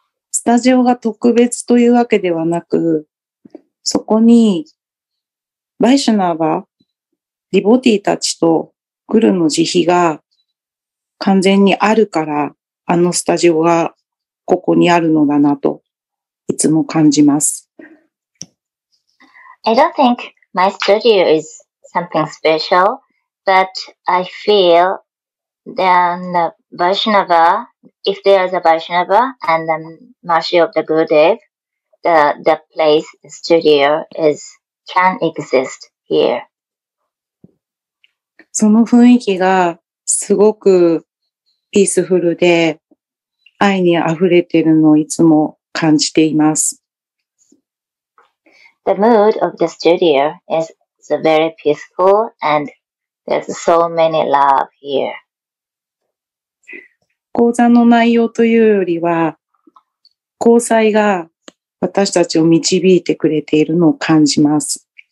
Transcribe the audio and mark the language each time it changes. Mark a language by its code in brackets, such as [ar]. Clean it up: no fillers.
[ja] スタジオが特別というわけではなく、そこにバイシュナーバーディボティたちとグルの慈悲が完全にあるから、あのスタジオがここにあるのだなといつも感じます。 [en] I don't think my studio is something special, but I feel then the Vaishnava, if there is a Vaishnava and the mercy of the Gurudev, the place, the studio can exist here. [ja] その雰囲気がすごくピースフルで愛に溢れてるのをいつも感じています。 [en] The mood of the studio is very peaceful and there's so many love here. [ja] 講座の内容というよりは、光彩が私たちを導いてくれているのを感じます。